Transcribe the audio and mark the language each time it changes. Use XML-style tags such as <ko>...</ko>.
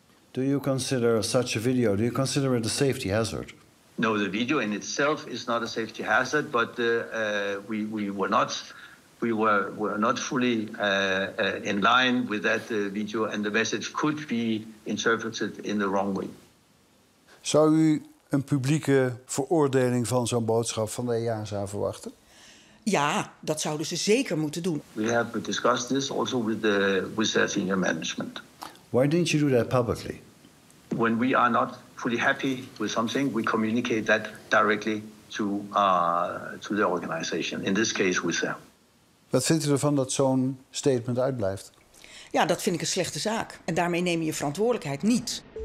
<en>Do you consider such a video, do you consider it a safety hazard? No, the video in itself is not a safety hazard, but we were not fully in line with that video, and the message could be interpreted in the wrong way.</en> <nl>Zou u een publieke veroordeling van zo'n boodschap van de EASA verwachten? Ja, dat zouden ze zeker moeten doen.</nl> <en>We have discussed this also with the senior management. Why didn't you do that publicly? When we are not fully happy with something, we communicate that directly to the organization. In this case, with them.</en> <nl>Wat vindt u ervan dat zo'n statement uitblijft? Ja, dat vind ik een slechte zaak. En daarmee neem je verantwoordelijkheid niet.</nl>